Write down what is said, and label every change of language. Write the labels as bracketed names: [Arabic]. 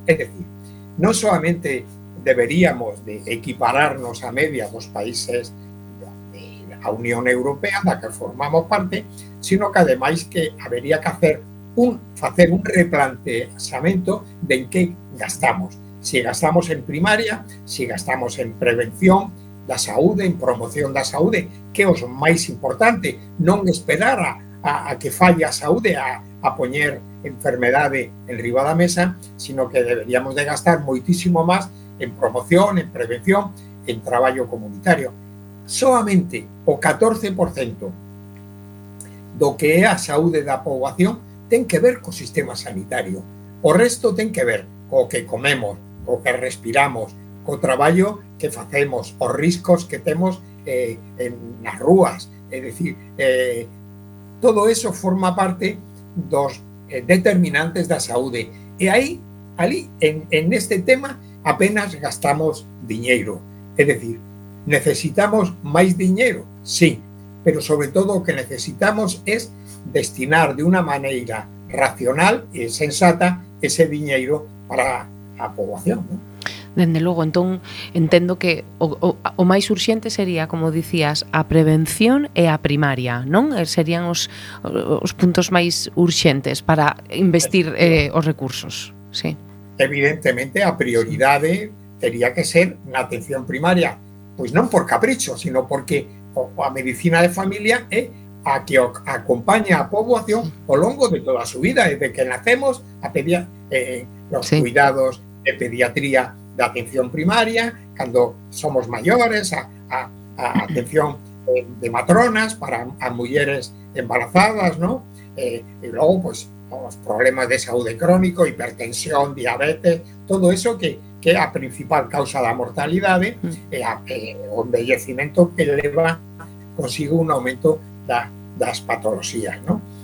[Spanish] Es decir, no solamente deberíamos de equipararnos a media los países de la Unión Europea, de la que formamos parte, sino que además que habría que hacer un replanteamiento de en qué gastamos. [Galician] Si gastamos en primaria, si gastamos en prevención da saúde, en promoción da saúde, que é o máis importante, non esperar a que falle a saúde, a poñer enfermedade en riba da mesa, sino que deberíamos de gastar moitísimo máis en promoción, en prevención, en traballo comunitario. Soamente o 14% do que é a saúde da poboación ten que ver co sistema sanitario. O resto ten que ver co que comemos, o que respiramos, co traballo que facemos, os riscos que temos en nas rúas. É dicir, todo eso forma parte dos determinantes da saúde. E aí, ali, en este tema, apenas gastamos diñeiro. É dicir, necesitamos máis diñeiro, sí, pero sobre todo o que necesitamos é destinar de unha maneira racional e sensata ese diñeiro para a poboación, ¿no? Dende logo, entón, entendo que o máis urxente sería, como dicías, a prevención e a primaria, non? Serían os puntos máis urxentes para investir os recursos, sí. Evidentemente, a prioridade teria que ser na atención primaria, pois non por capricho, sino porque a medicina de familia é a que acompaña a poboación ao longo de toda a súa vida, desde que nacemos a pedir los sí. cuidados de pediatría, de atención primaria, cando somos maiores, a atención de matronas para a mulleres embarazadas, ¿no? E logo, pues, os problemas de saúde crónico, hipertensión, diabetes, todo eso que é a principal causa da mortalidade, o envellecimento que leva consigo un aumento das patologías, ¿no?